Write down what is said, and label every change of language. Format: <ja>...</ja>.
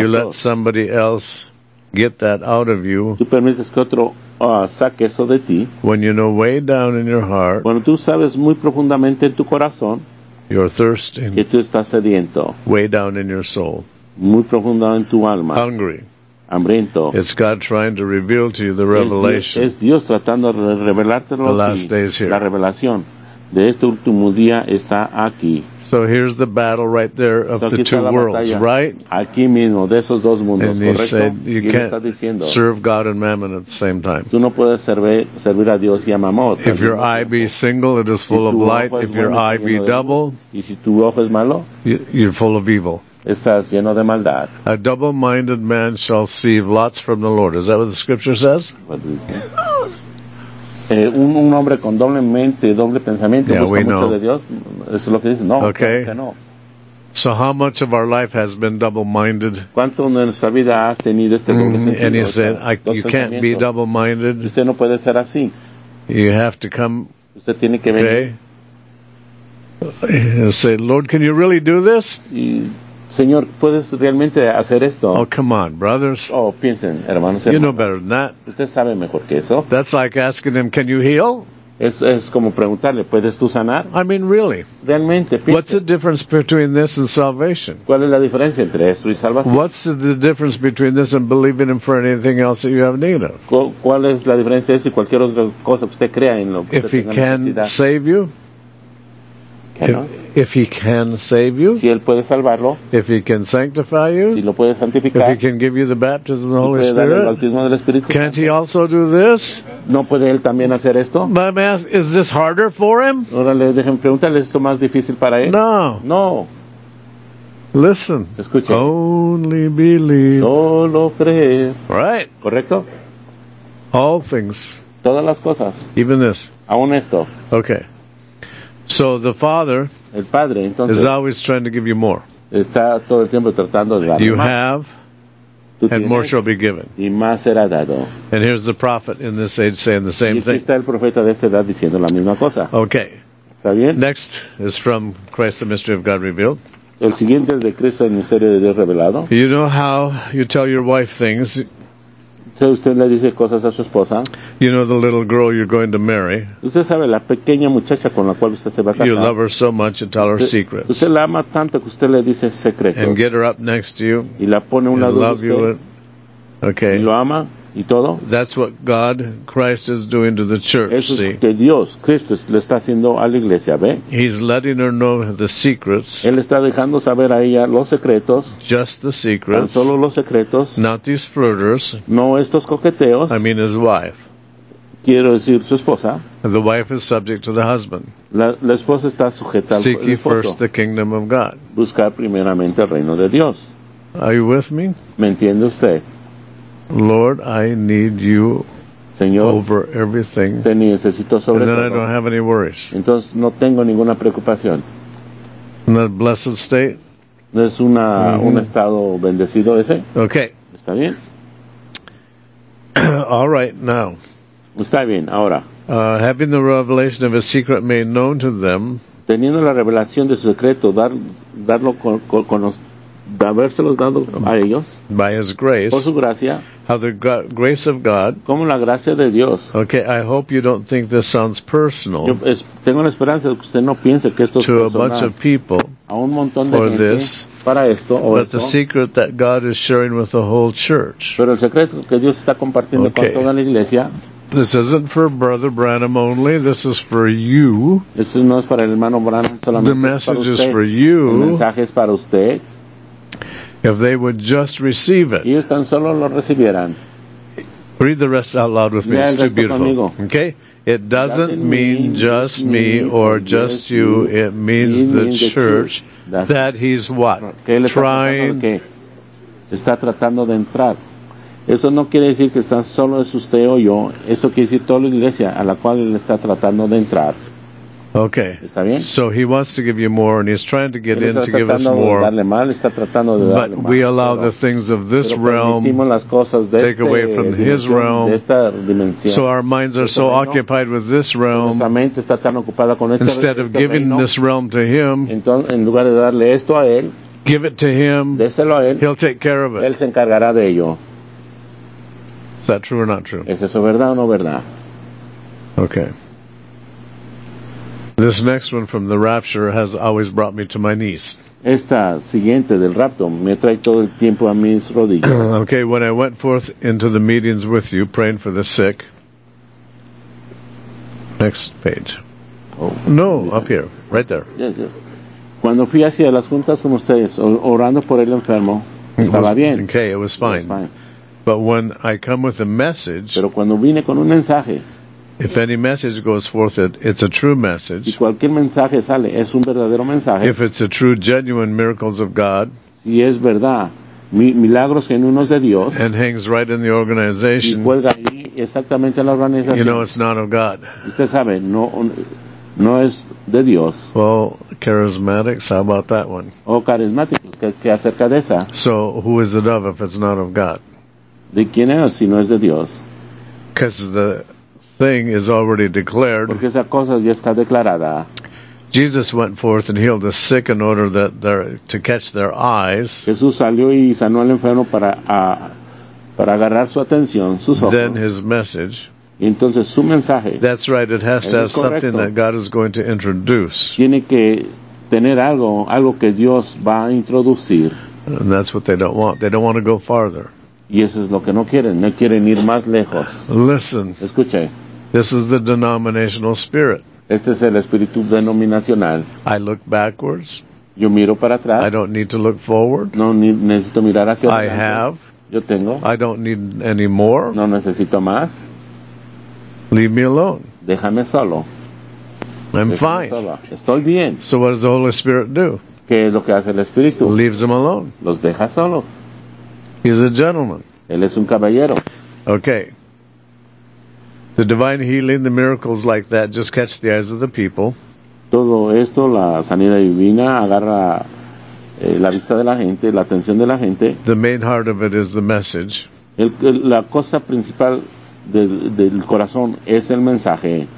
<en>You let somebody else get that out of you.</en> <es>Tú permites que otro saque eso de ti.</es> <en>When you know way down in your heart.</en> <es>Cuando tú sabes muy profundamente en tu corazón.</es> <en>You're thirsting.</en> <es>Que tú estás sediento.</es> <en>Way down in your soul.</en> <es>Muy profundo en tu alma.</es> <en>Hungry.</en> <es>Hambriento.</es> <en>It's God trying to reveal to you the revelation.</en> <es>Es Dios tratando de revelártelo.</es> <en>The last day is here.</en> <es>La revelación de este último día está aquí.</es> <en>So here's the battle right there of the two worlds, right?</en> <es>Aquí mismo, de esos dos mundos,</es> <en>and</en> <es>correcto.</es> <en>He said, you can't serve God and mammon at the same time.</en> <es>Tú no puedes servir a Dios y a mamón.</es> <en>If your eye be single, it is full of light. If your eye be double,</en> <es>y si tu ojo es malo,</es> <en>you're full of evil.</en> <es>Estás lleno de maldad.</es> <en>A double-minded man shall see lots from the Lord. Is that what the scripture says?</en> <es>Un hombre con doble mente, doble pensamiento,</es> <en>yeah,</en> <es>busca mucho</es> <en>know.</en> <es>De Dios. Eso es lo que dice. No,</es> <en>okay.</en> <es>No.</es> <en>So how much of our life has been double-minded?</en> <es>¿Cuánto de nuestra vida has tenido este doble sentido?</es> <en>And he said, you can't be double-minded.</en> <es>Usted no puede ser así.</es> <en>You have to come.</en> <es>Usted tiene que venir.</es> <en>Okay. And say, Lord, can you really do this?</en> <es>Señor, ¿puedes realmente hacer esto?</es> <en>Oh, come on, brothers.</en> <es>Oh, piensen, hermanos.</es> <en>You know better than that.</en> <es>Usted sabe mejor que eso.</es> <en>That's like asking him, can you heal?</en> <es>Es como preguntarle, ¿puedes tú sanar?</es> <en>I mean, really.</en> <es>Realmente, piensen.</es> <en>What's the difference between this and salvation?</en> <es>¿Cuál es la diferencia entre esto y salvación?</es> <en>What's the difference between this and believing him for anything else that you have need of?</en> <es>¿Cuál es la diferencia entre esto y cualquier otra cosa que usted crea en lo que</es> <en>if he can save you? If he can save you,</en> <es>si él puede salvarlo,</es> <en>if he can sanctify you,</en> <es>si lo puede santificar,</es> <en>if he can give you the baptism of the Holy Spirit,</en> <es>el bautismo del Espíritu,</es> <en>can't he also do this?</en> <es>¿No puede él también hacer esto?</es> <en>But I'm asking, is this harder for him?</en> <es>Órale, déjenme preguntarle, ¿esto más difícil para él?</es> <en>No.</en> <es>No.</es> <en>Listen.</en> <es>Escuche.</es> <en>Only believe.</en> <es>Solo creer.</es> <en>Right.</en> <es>¿Correcto?</es> <en>All things.</en> <es>Todas las cosas.</es> <en>Even this.</en> <es>Aún esto.</es> <en>Okay. So the Father</en> <es>el padre, entonces,</es> <en>is always trying to give you more.</en> <es>Está todo el tiempo tratando de dar</es> <en>you</en> <es>más.</es> <en>Have,</en> <es>tú tienes,</es> <en>and more shall be given.</en> <es>Y más será dado.</es> <en>And here's the prophet in this age saying the same</en> <es>y aquí</es> <en>thing.</en> <es>Está el profeta de esta edad diciendo la misma cosa.</es> <en>Okay.</en> <es>¿Está bien?</es> <en>Next is from Christ, the mystery of God revealed.</en> <es>El siguiente es de Cristo, el misterio de Dios revelado.</es> <en>You know how you tell your wife things.</en> <es>So usted le dice cosas a su esposa.</es> <en>You know the little girl you're going to marry.</en> <es>Usted sabe la pequeña muchacha con la cual usted se va a casar.</es> <en>You love her so much you tell her</en> <es>usted,</es> <en>secrets.</en> <es>Usted la ama tanto que usted le dice secretos.</es> <en>And get her up next to you.</en> <es>Y la pone una</es> <en>and love</en> <es>usted.</es> <en>You. Okay.</en> <es>Y lo ama y todo.</es> <en>That's what God, Christ is doing to the church,</en> <es>eso es</es> <en>see.</en> <es>Que Dios, Cristo, le está haciendo a la iglesia, ¿ve?</es> <en>He's letting her know the secrets.</en> <es>Él está dejando saber a ella los secretos.</es> <en>Just the secrets.</en> <es>Tan solo los secretos.</es> <en>Not these flirters.</en> <es>No estos coqueteos.</es> <en>I mean his wife.</en> <es>Quiero decir su esposa.</es> <en>The wife is subject to the husband.</en> <es>La esposa está sujeta al</es> <en>seek</en> <es>esposo.</es> <en>Seek first the kingdom of God.</en> <es>Buscar primeramente el reino de Dios.</es> <en>Are you with me?</en> <es>¿Me entiende usted?</es> <en>Lord, I need you,</en> <es>Señor,</es> <en>over everything.</en> <es>Te necesito sobre</es> <en>and then</en> <es>todo.</es> <en>I don't have any worries.</en> <es>Entonces no tengo ninguna preocupación.</es> <en>In that blessed state.</en> <es>¿No es una mm-hmm. un estado bendecido ese?</es> <en>Okay.</en> <es>Está bien.</es> <en>All right now.</en> <es>Está bien ahora.</es> <en>Having the revelation of a secret made known to them.</en> <es>Teniendo la revelación de su secreto, darlo con de habérselos dado a ellos</es> <en>by his grace,</en> <es>por su gracia</es> <en>how the grace of God,</en> <es>como la gracia de Dios.</es> <en>Okay, I hope you don't think this sounds personal.</en> <es>Yo tengo la esperanza de que usted no piense que esto es personal</es> <en>to a bunch of people</en> <es>a un montón de</es> <en>for</en> <es>gente</es> <en>this,</en> <es>para esto o</es> <en>but</en> <es>eso.</es> <en>The secret that God is sharing with the whole church.</en> <es>Pero el secreto que Dios está compartiendo</es> <en>okay.</en> <es>con toda la iglesia.</es> <en>This isn't for Brother Branham only. This is for you.</en> <es>Esto no es para el hermano Branham solamente.</es> <en>The message is for you.</en> <es>El mensaje es para usted.</es> <en>If they would just receive it.</en> <es>Ellos tan solo lo recibieran.</es> <en>Read the rest out loud with me. It's too beautiful.</en> <es>Conmigo.</es> <en>Okay? It doesn't mean just me or just you. It means the church that he's what? Trying.</en> <es>Está tratando de entrar. Eso no quiere decir que tan solo es usted o yo. Eso quiere decir toda la iglesia a la cual él está tratando de entrar.</es> <en>Okay.</en> <es>¿Está bien?</es> <en>So he wants to give you more, and he's trying to get in to give us more.</en> <es>Darle mal, está tratando de darle</es> <en>but</en> <es>mal,</es> <en>we allow the things of this realm</en> <es>las cosas de</es> <en>take away from his realm.</en> <es>De esta dimensión.</es> <en>So our minds are so occupied with this realm.</en> <es>Nuestra mente está tan ocupada con</es> <en>instead of giving</en> <es>reino,</es> <en>this realm to him,</en> <es>entonces, en lugar de darle esto a él,</es> <en>give it to him.</en> <es>Déselo a él,</es> <en>he'll take care of it.</en> <es>Él se encargará de ello.</es> <en>Is that true or not true?</en> <es>¿Es eso verdad o no verdad?</es> <en>Okay. This next one from the rapture has always brought me to my knees.</en> <es>Esta siguiente del rapto me trae todo el tiempo a mis rodillas.</es> <en>Okay, when I went forth into the meetings with you, praying for the sick. Next page. Oh, no, yeah. Up here, right there. Yes, yes.</en> <es>Cuando fui hacia las juntas con ustedes, orando por el enfermo, estaba bien.</es> <en>Okay, it was fine. It was fine. But when I come with a message,</en> <es>pero cuando vine con un mensaje,</es> <en>if any message goes forth, it's a true message.</en> <es>Si cualquier mensaje sale, es un verdadero mensaje.</es> <en>If it's a true, genuine miracles of God,</en> <es>si es verdad, milagros genuinos de Dios,</es> <en>and hangs right in the organization,</en> <es>y cuelga ahí exactamente en la organización,</es> <en>you know it's not of God.</en> <es>Usted sabe, no es de Dios.</es> <en>Well, charismatics, how about that one?</en> <es>Oh, carismáticos, ¿qué acerca de esa?</es> <en>So, who is it of if it's not of God?</en> <es>¿De quién es si no es de Dios?</es> <en>Because the thing is already declared.</en> <es>Porque esa cosa ya está declarada.</es> <en>Jesus went forth and healed the sick in order that to catch their eyes.</en> <es>Jesús salió y sanó al enfermo para agarrar su atención, sus ojos.</es> <en>Then his message.</en> <es>Entonces su mensaje.</es> <en>That's right, it has to have</en> <es>correcto.</es> <en>Something that God is going to introduce.</en> <es>Tiene que tener algo que Dios va a introducir.</es> <en>And that's what they don't want. They don't want to go farther.</en> <es>Y eso es lo que no quieren. No quieren ir más lejos.</es> <en>Listen.</en> <es>Escuche.</es> <en>This is the denominational spirit.</en> <es>Este es el espíritu denominacional.</es> <en>I look backwards.</en> <es>Yo miro para atrás.</es> <en>I don't need to look forward.</en> <es>No necesito mirar hacia adelante.</es> <en>I have.</en> <es>Yo tengo.</es> <en>I don't need any more.</en> <es>No necesito más.</es> <en>Leave me alone.</en> <es>Déjame solo.</es> <en>I'm fine.</en> <es>Sola. Estoy bien.</es> <en>So what does the Holy Spirit do?</en> <es>¿Qué es lo que hace el espíritu?</es> <en>Leaves them alone.</en> <es>Los deja solos.</es> <en>He's a gentleman.</en> <es>Él es un caballero.</es> <en>Okay. The divine healing, the miracles like that, just catch the eyes of the people.</en> <es>Todo esto, la sanidad divina, agarra la vista de la gente, la atención de la gente.</es> <en>The main heart of it is the message.</en> <es>La cosa principal del corazón es el mensaje.</es>